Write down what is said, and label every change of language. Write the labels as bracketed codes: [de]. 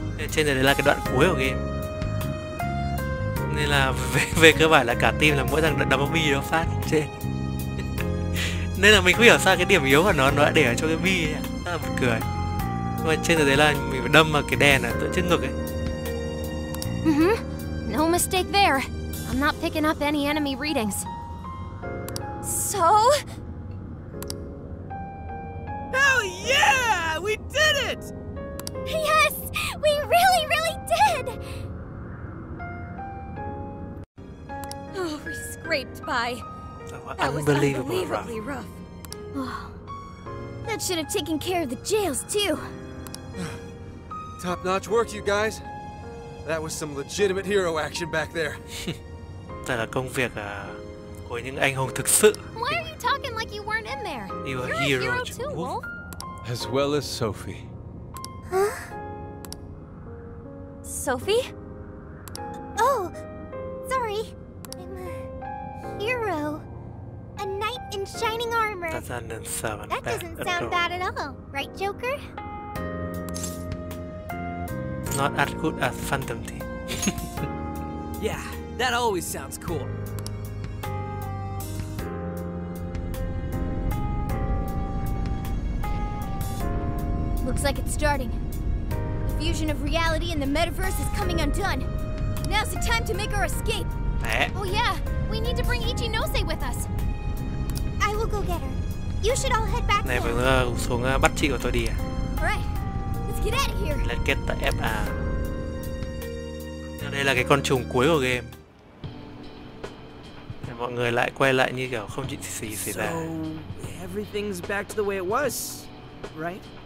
[vi] Trên này đấy là cái đoạn cuối của game. Nên là về cơ bản là cả team là mỗi thằng đấm bi nó phát trên. Nên là mình không hiểu sao cái điểm yếu của nó đã để ở cho cái bi ấy. Rất là buồn cười. Nhưng mà trên này đấy là mình đâm vào cái đèn ở tự trước ngực ấy. [en] No mistake there. I'm not picking up any enemy readings. So? Hell yeah! We did it! Yes! We really, really did! Oh, we scraped by. That was unbelievably rough. Oh, that should have taken care of the jails, too. Top-notch work, you guys. That was some legitimate hero action back there. [vi] Tại là công việc của những anh hùng thực sự. [en] Why are you talking like you weren't in there? You are hero too, Wolf. As well as Sophie. Huh? Sophie? Oh, sorry. I'm a hero. A knight in shining armor. That doesn't sound bad. That doesn't sound bad at all, right, Joker? Not as good as Phantom Thief. Yeah. That always sounds cool. Looks like it's starting. The fusion of reality and the metaverse is coming undone. Now's the time to make our escape. Oh yeah, we need to bring Ichinose with us. I will go get her. You should all head back. [vi] Này vừa xuống bắt chị của tôi đi. [en] Alright, let's get out of here. Let's get the F out. [vi] Đây là cái con trùng cuối của game. Mọi người lại quay lại như kiểu không chịu gì xảy ra. [en] So, everything's back to the way it was, right?